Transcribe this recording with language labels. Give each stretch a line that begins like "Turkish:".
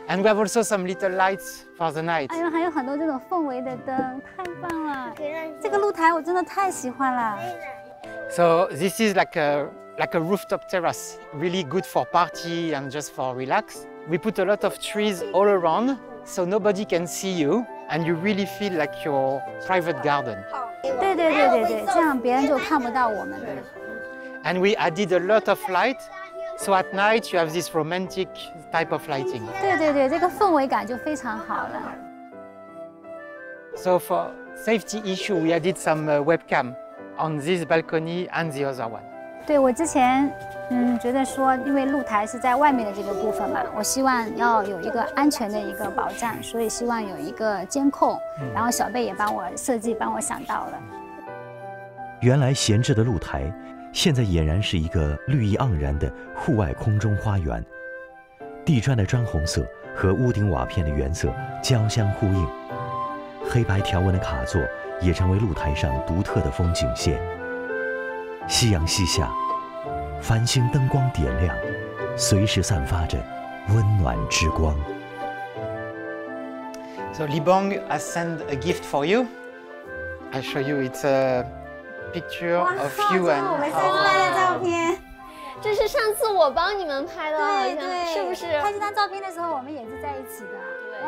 English: And we have also some little lights for the night.
Chinese: 还有很多这种氛围的灯，太棒了。这个露台我真的太喜欢了。
English: So this is like a rooftop terrace, really good for party and just for relax. We put a lot of trees all around, so nobody can see you, and you really feel like your private garden.
Chinese: 对对对对对，这样别人就看不到我们了。
English: And we added a lot of light, so at night you have this romantic type of lighting.
Chinese: 对对对，这个氛围感就非常好了。
English: So for safety issue, we added some webcam on this balcony and the other one.
Chinese: 对，我之前觉得说，因为露台是在外面的这个部分嘛，我希望要有一个安全的一个保障，所以希望有一个监控。然后小贝也帮我设计，帮我想到了。原来闲置的露台，现在俨然是一个绿意盎然的户外空中花园。地砖的砖红色和屋顶瓦片的原色交相呼应，黑白条纹的卡座也成为露台上独特的风景线。夕阳西下，繁星灯光点亮，随时散发着温暖之光。
English: So Li Bong, I send a gift for you. I show you it's a picture of you and our.
Chinese: 哇，这是我们三个拍的照片。这是上次我帮你们拍的，对对，是不是？拍这张照片的时候，我们也是在一起的。